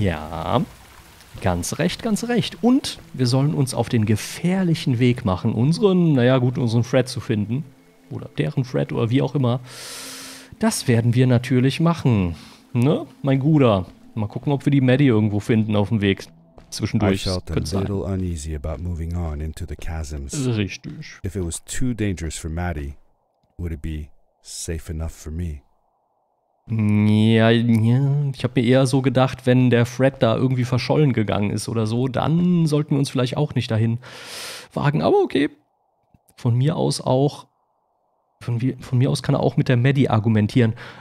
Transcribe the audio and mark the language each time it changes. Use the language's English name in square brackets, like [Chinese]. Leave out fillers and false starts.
[German] Ja, ganz recht, ganz recht. Und wir sollen uns auf den gefährlichen Weg machen, unseren Fred zu finden. Oder deren Fred oder wie auch immer. Das werden wir natürlich machen, ne, mein Guder. Mal gucken, ob wir die Maddie irgendwo finden auf dem Weg. Zwischendurch. [English] I felt a little uneasy about moving on into the chasms. [German] Richtig. [English] If it was too dangerous for Maddie, would it be safe enough for me? [German] Ja, ja. Ich habe mir eher so gedacht, wenn der Fred da irgendwie verschollen gegangen ist oder so, dann sollten wir uns vielleicht auch nicht dahin wagen. Aber okay. Von mir aus auch. Von mir aus kann er auch mit der Maddie argumentieren.